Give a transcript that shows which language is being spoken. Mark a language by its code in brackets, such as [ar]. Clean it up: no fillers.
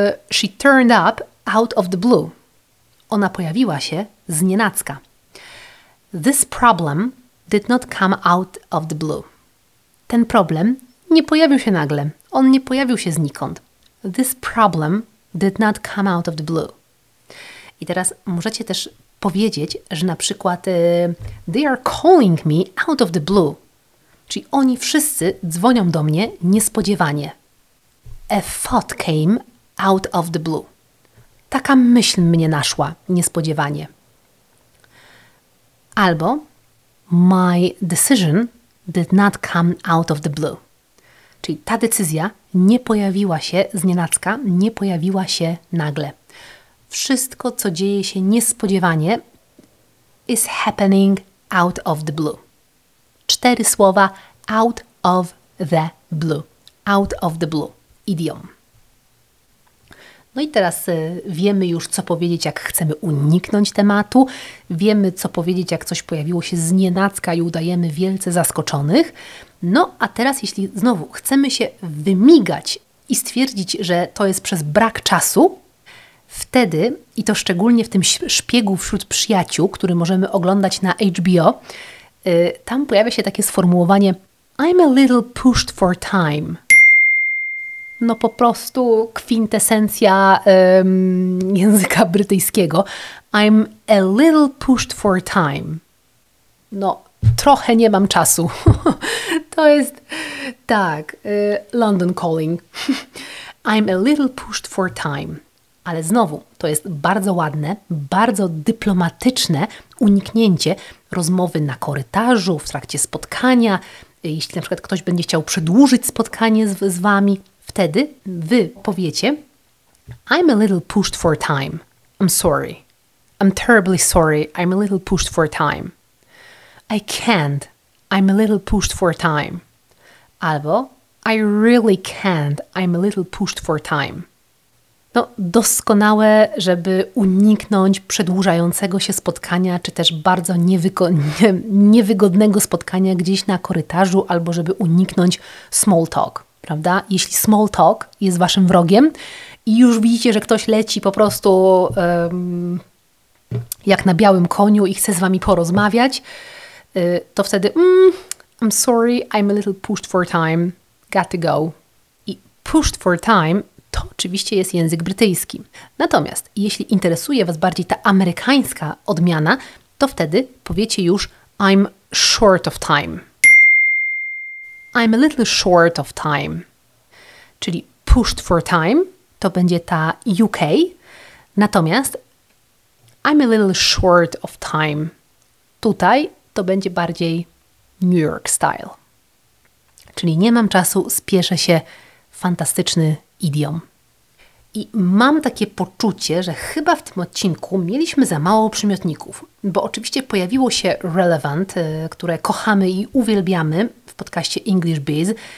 [en] She turned up out of the blue. [pl] Ona pojawiła się znienacka. [en] This problem did not come out of the blue. [pl] Ten problem nie pojawił się nagle. On nie pojawił się znikąd. [en] This problem did not come out of the blue. [pl] I teraz możecie też powiedzieć, że na przykład [en] they are calling me out of the blue. [pl] Czyli oni wszyscy dzwonią do mnie niespodziewanie. [en] A thought came out of the blue. [pl] Taka myśl mnie naszła niespodziewanie. [en] Albo my decision did not come out of the blue. [pl] Czyli ta decyzja nie pojawiła się znienacka, nie pojawiła się nagle. Wszystko, co dzieje się niespodziewanie, [en] is happening out of the blue. [pl] Cztery słowa [en] out of the blue. Out of the blue. Idiom. [pl] No i teraz wiemy już, co powiedzieć, jak chcemy uniknąć tematu. Wiemy, co powiedzieć, jak coś pojawiło się znienacka i udajemy wielce zaskoczonych. No a teraz, jeśli znowu chcemy się wymigać i stwierdzić, że to jest przez brak czasu, wtedy, i to szczególnie w tym szpiegu wśród przyjaciół, który możemy oglądać na HBO, tam pojawia się takie sformułowanie [en] I'm a little pushed for time. [pl] No po prostu kwintesencja języka brytyjskiego. [en] I'm a little pushed for time. [pl] No, trochę nie mam czasu. To jest, tak, London calling. [en] I'm a little pushed for time. [pl] Ale znowu, to jest bardzo ładne, bardzo dyplomatyczne uniknięcie rozmowy na korytarzu, w trakcie spotkania. Jeśli na przykład ktoś będzie chciał przedłużyć spotkanie z Wami, wtedy Wy powiecie [en] I'm a little pushed for time. I'm sorry. I'm terribly sorry. I'm a little pushed for time. I can't. I'm a little pushed for time. Albo I really can't. I'm a little pushed for time. [pl] No, doskonałe, żeby uniknąć przedłużającego się spotkania, czy też bardzo niewygodnego spotkania gdzieś na korytarzu, albo żeby uniknąć small talk. Prawda? Jeśli small talk jest Waszym wrogiem i już widzicie, że ktoś leci po prostu jak na białym koniu i chce z Wami porozmawiać, to wtedy [en] I'm sorry, I'm a little pushed for time, got to go. I pushed for time [pl] to oczywiście jest język brytyjski. Natomiast jeśli interesuje Was bardziej ta amerykańska odmiana, to wtedy powiecie już [en] I'm short of time. I'm a little short of time. [pl] Czyli pushed for time to będzie ta [en] UK. Natomiast I'm a little short of time. [pl] Tutaj to będzie bardziej [en] New York style. [pl] Czyli nie mam czasu, spieszę się, fantastyczny idiom. I mam takie poczucie, że chyba w tym odcinku mieliśmy za mało przymiotników, bo oczywiście pojawiło się relevant, które kochamy i uwielbiamy w podcaście English Biz.